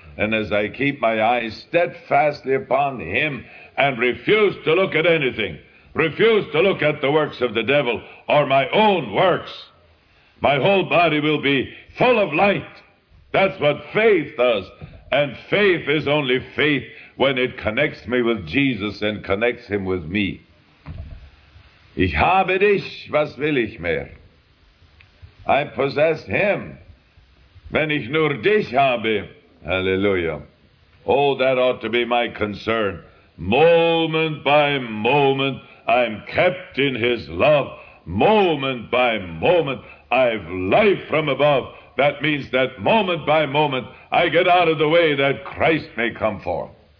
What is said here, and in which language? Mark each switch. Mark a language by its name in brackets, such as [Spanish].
[English] And as I keep my eyes steadfastly upon Him and refuse to look at anything, refuse to look at the works of the devil or my own works, my whole body will be full of light. That's what faith does. And faith is only faith when it connects me with Jesus and connects Him with me. [German] Ich habe dich, was will ich mehr? [English] I possess Him, [German] wenn ich nur dich habe. [English] Hallelujah. Oh, that ought to be my concern. Moment by moment, I'm kept in His love. Moment by moment, I've life from above. That means that moment by moment, I get out of the way that Christ may come forth.